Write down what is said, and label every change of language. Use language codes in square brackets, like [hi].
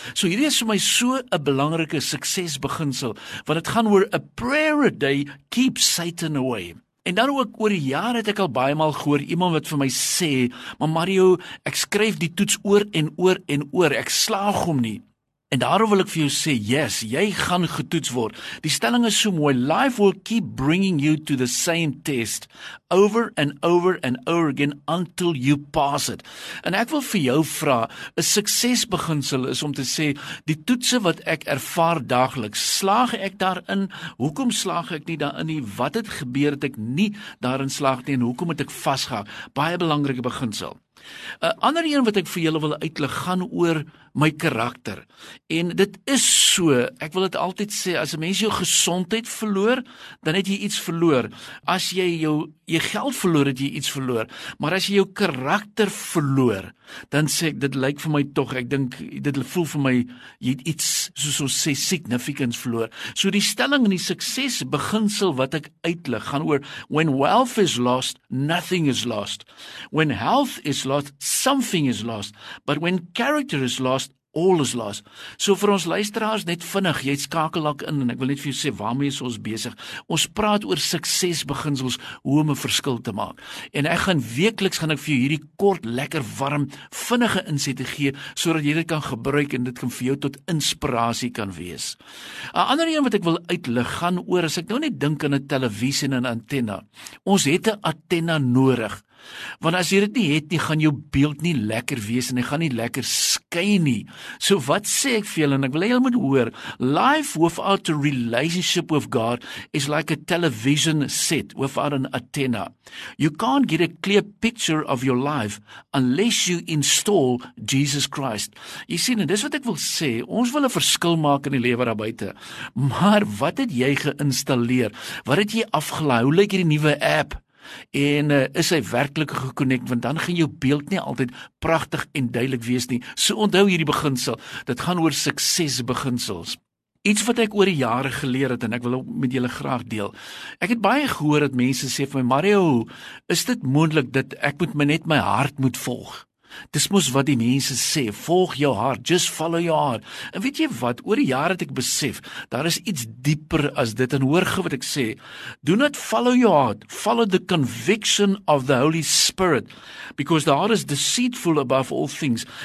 [af] So hierdie is vir my so 'n belangrike suksesbeginsel, want het gaan oor, [en] a prayer a day keeps Satan away. [af] En dan ook, oor die jaar het ek al baie maal gehoor, iemand wat vir my sê, maar Mario, ek skryf die toets oor en oor en oor, ek slaag hom nie. En daarom wil ek vir jou sê, yes, jy gaan getoets word. Die stelling is so mooi, [en] life will keep bringing you to the same test, over and over and over again, until you pass it. [af] En ek wil vir jou vra, 'n suksesbeginsel is om te sê, die toetse wat ek ervaar daagliks, slaag ek daarin, hoekom slaag ek nie daarin nie, wat het gebeur dat ek nie daarin slaag nie, en hoekom het ek vasgehak? Baie belangrike beginsel. 'n Ander een wat ek vir julle wil uitlig gaan oor my karakter. En dit is so, ek wil dit altyd sê, as 'n mens jou gesondheid verloor, dan het jy iets verloor. As jy jou geld verloor, het jy iets verloor. Maar as jy jou karakter verloor, dan sê ek, dit lyk vir my tog, ek dink, dit voel vir my, jy het iets, soos ons sê, significance verloor. So die stelling en die suksesbeginsel wat ek uitlig, gaan oor, [en] when wealth is lost, [af] nothing is lost. [en] When health is lost, something is lost. But when character is lost, all is lost. [af] So vir ons luisteraars net vinnig, jy skakel ook in en ek wil net vir jou sê waarmee is ons besig. Ons praat oor suksesbeginsels, hoe om 'n verskil te maak. En ek gaan weekliks gaan ek vir jou hierdie kort, lekker, warm, vinnige insette gee sodat jy dit kan gebruik en dit kan vir jou tot inspirasie kan wees. 'n Ander een wat ek wil uitlig gaan oor as ek nou net dink aan 'n televisie en 'n antenna. Ons het 'n antenna nodig. Want as jy dit nie het nie, gaan jou beeld nie lekker wees en hy gaan nie lekker skyn nie. So wat sê ek vir julle en ek wil julle moet hoor, [en] life without a relationship with God is like a television set without an antenna. You can't get a clear picture of your life unless you install Jesus Christ. [af] Jy sien, en dis wat ek wil sê, ons wil 'n verskil maak in die lewe daar buite. Maar wat het jy geïnstalleer? Wat het jy afgelaai? Hoe lyk hierdie nuwe app? En is hy werklik gekonnek, want dan gaan jou beeld nie altyd pragtig en duidelik wees nie. So onthou hierdie beginsel, dit gaan oor suksesbeginsels. Iets wat ek oor die jare geleer het en ek wil met julle graag deel. Ek het baie gehoor dat mense sê vir my, Mario, is dit moontlik dat ek moet net my hart moet volg? Dis mos wat die mense sê, volg jou hart, [en] just follow your heart. [af] En weet jy wat, oor die jare het ek besef, daar is iets dieper as dit, en hoor gou wat ek sê, [en] do not follow your heart, follow the conviction of the Holy Spirit, because the heart is deceitful above all things.